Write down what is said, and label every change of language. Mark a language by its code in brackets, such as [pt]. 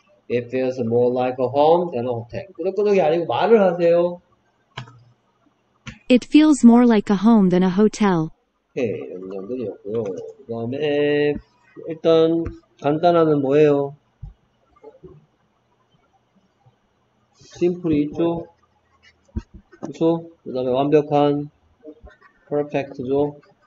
[en] It feels more like a home than a hotel. [ko] 끄덕끄덕이 아니고 말을 하세요. [en] It feels more like a home than a hotel. [ko] 오케이, 이런 정도였고요. 그다음에 일단 간단하면 뭐예요? 심플이 있죠? 그쵸? 그다음에 완벽한 퍼펙트죠?